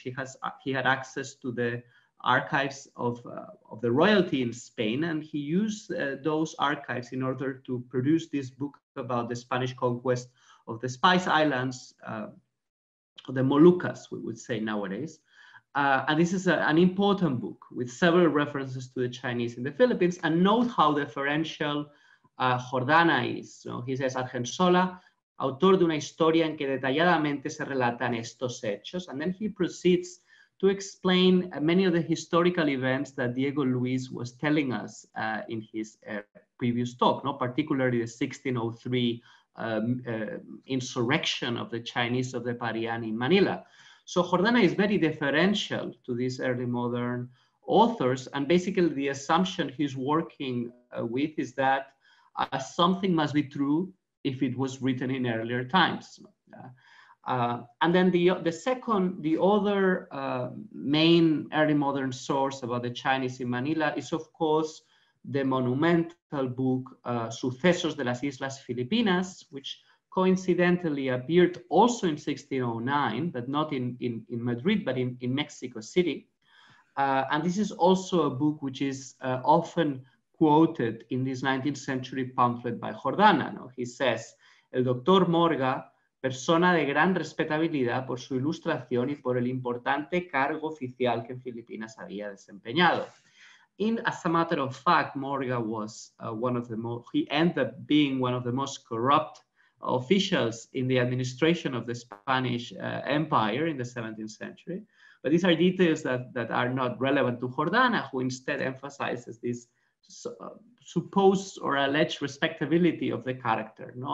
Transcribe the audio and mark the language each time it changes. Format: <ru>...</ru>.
<en>He had access to the archives of the royalty in Spain, and he used those archives in order to produce this book about the Spanish conquest of the Spice Islands, the Moluccas, we would say nowadays. And this is an important book with several references to the Chinese in the Philippines, and note how deferential Jordana is. So he says,</en> <es>Argensola, autor de una historia en que detalladamente se relatan estos hechos.</es> <en>And then he proceeds to explain many of the historical events that Diego Luis was telling us in his previous talk, no? Particularly the 1603 insurrection of the Chinese of the Parian in Manila. So Jordana is very deferential to these early modern authors. And basically the assumption he's working with is that something must be true if it was written in earlier times. And then the other main early modern source about the Chinese in Manila is, of course, the monumental book, Sucesos de las Islas Filipinas, which coincidentally appeared also in 1609, but not in Madrid, but in Mexico City. And this is also a book which is often quoted in this 19th century pamphlet by Jordana. No? He says,</en> <es>El doctor Morga, persona de gran respetabilidad por su ilustración y por el importante cargo oficial que en Filipinas había desempeñado.</es> <en>As a matter of fact, Morga was he ended up being one of the most corrupt officials in the administration of the Spanish Empire in the 17th century. But these are details that are not relevant to Jordana, who instead emphasizes this supposed or alleged respectability of the character. No?</en>